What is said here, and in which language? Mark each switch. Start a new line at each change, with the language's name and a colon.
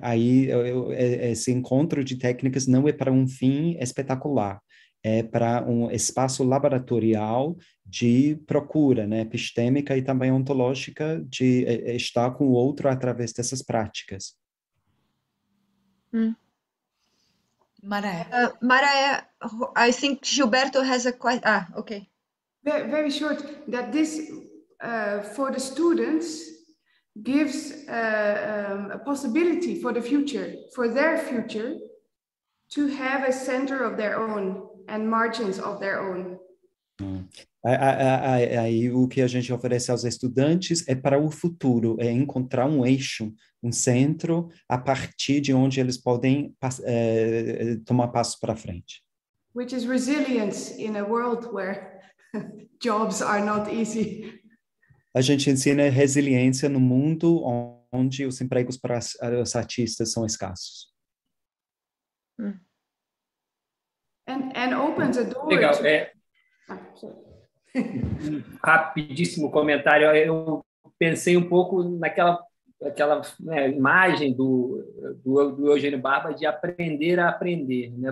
Portuguese: Aí esse encontro de técnicas não é para um fim espetacular, é para um espaço laboratorial de procura, né, epistêmica e também ontológica, de estar com o outro através dessas práticas.
English: Maraia, I think Gilberto has a question. Okay. Very short. That this for the students, gives a possibility for the future, for their future, to have a center of their own and margins of their own.
Portuguese: Aí o que a gente oferece aos estudantes é para o futuro, é encontrar um eixo, um centro a partir de onde eles podem tomar passo para frente.
English: Which is resilience in a world where jobs are not easy.
Portuguese: A gente ensina resiliência no mundo onde os empregos para os artistas são escassos.
English: And opens a door.
Portuguese: Legal. To... Rapidíssimo comentário. Eu pensei um pouco naquela né, imagem do Eugênio Barba de aprender a aprender, né?